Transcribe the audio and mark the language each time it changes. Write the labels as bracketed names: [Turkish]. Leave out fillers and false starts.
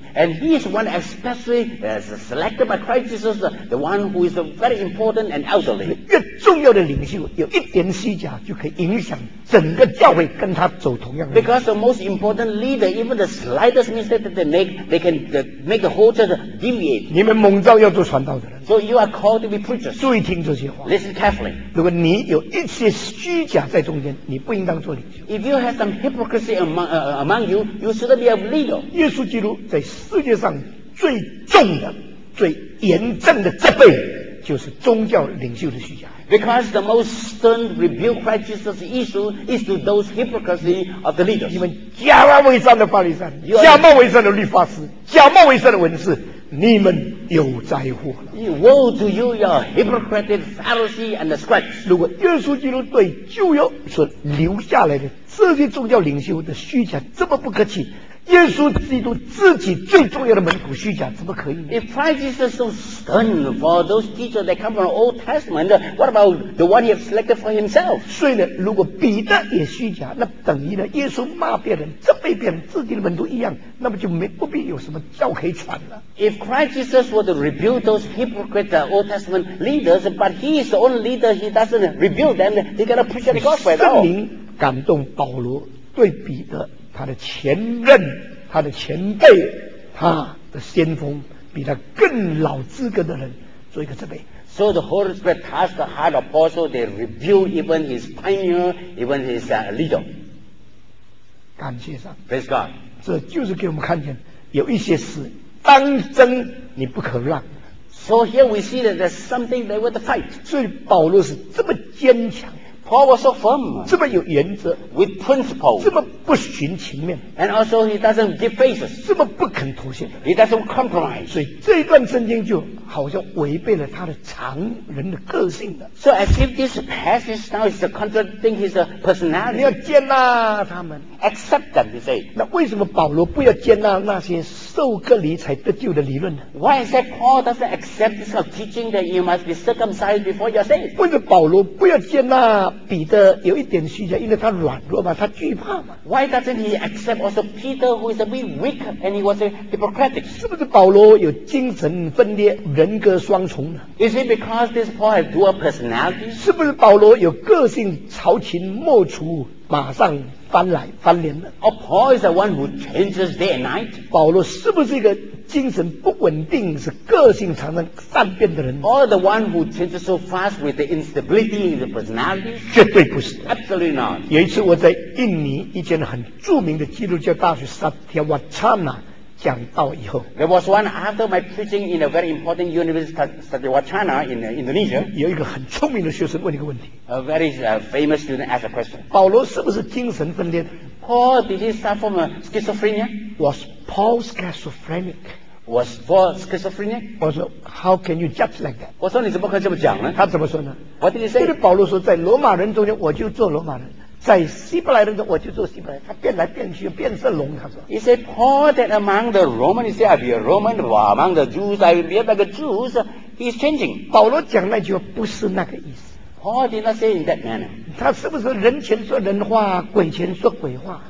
[English] And he is one especially selected by Christ Jesus, the one who is very important and elderly. [Chinese] 越重要的领袖，有一点虚假就可以影响整个教会跟他走同样的。 [English] Because the most important leader, even the slightest mistake that they make, they can make the whole church deviate. [Chinese] 你们蒙召要做传道的人。 [English] So you are called to be preachers. [Chinese] 注意听这些话。 [English] Listen carefully. [Chinese] 如果你有一些虚假在中间，你不应当做领袖。 [English] If you have some hypocrisy among you, you shouldn't be a leader. [Chinese] 耶稣基督在世界上最重的、最严正的责备，就是宗教领袖的虚假。 [English] Because the most stern rebuke Christ Jesus issued is to those hypocrisy of the leaders. [Chinese] 你们假冒伪善的法利赛人，假冒伪善的律法师，假冒伪善的文士。你们有灾祸了。 [English] Woe to you, your hypocritical Pharisee and the scribes. [Chinese] 如果耶稣基督对旧约所留下来的这些宗教领袖的虚假这么不客气，耶稣基督自己最重要的门徒虚假怎么可以呢 [English] ？If Christ is so stern for those teachers that come from the Old Testament, what about the one he has selected for himself? [Chinese] 所以呢，如果彼得也虚假，那等于呢，耶稣骂别人、责备别人，自己的门徒一样，那么就没不必有什么教可以传了。 [English] If Christ Jesus were to rebuke those hypocrite Old Testament leaders, but he is the only leader, he doesn't rebuke them, he cannot preach the gospel at all. [Chinese] 圣灵感动保罗对彼得。他的前任他的前辈他的先锋比他更老资格的人做一个责备 [English] So the Holy Spirit tasked the heart of Paul so they rebuild even his pioneer even his leader [Chinese] 感谢上 [English] Praise God [Chinese] 这就是给我们看见有一些事当真你不可让。 [English] So here we see that there's something they would fight. [Chinese] 所以保罗是这么坚强。 [English] Paul was so firm. [Chinese] 这么有原则。 [English] With principle. [Chinese] 这么不寻情面。 [English] And also he doesn't give faces. [Chinese] 这么不肯妥协。 [English] He doesn't compromise. [Chinese] 所以这一段圣经就好像违背了他的常人的个性的。 [English] So as if this passage now is contradicting his personality. [Chinese] 你要接纳他们。 [English] Accept them, he said. [Chinese] 那为什么保罗不要接纳那些受割礼才得救的理论呢？ [English] Why is that Paul doesn't accept this kind of teaching that you must be circumcised before you're saved? [Chinese] 为什么保罗不要接纳彼得有一点虚假，因为他软弱嘛，他惧怕嘛。 [English] Why doesn't he accept also Peter who is a bit weak and he was a hypocritic? [Chinese] 是不是保罗有精神分裂，人格双重呢？ [English] Is it because this Paul has dual personality? [Chinese] 是不是保罗有个性朝秦莫楚，马上翻来翻脸的？ [English] Or Paul is the one who changes day and night? [Chinese] 保罗是不是一个精神不稳定，是个性常常善变的人？ [English] Or the one who changes so fast with the instability in the personality? [Chinese] 绝对不是。 [English] Absolutely not. [Chinese] 有一次我在印尼一间很著名的基督教大学 Satyawacana 讲道以后， [English] There was one after my preaching in a very important university Satyawacana in Indonesia. [Chinese] 有一个很聪明的学生问一个问题， [English] A very famous student asked a question. [Chinese] 保罗是不是精神分裂的？ [English] Paul, did he suffer from schizophrenia? Was Paul schizophrenic? Was Paul schizophrenic? [Chinese] 我说 [English] How can you judge like that? [Chinese] 我说你怎么可以这么讲呢？他怎么说呢？ [English] What did he say? [Chinese] 因为保罗说，在罗马人中间，我就做罗马人。在希伯来人中，我就做希伯来。他变来变去，变色龙。他说 [English] ，He said, Paul, that among the Romans, he said, I'll be a Roman. Among the Jews, I'll be like a Jew. He's changing. [Chinese] 保罗讲那句话不是那个意思。 [English] Paul did not say in that manner. [Chinese] 他是不是人前说人话，鬼前说鬼话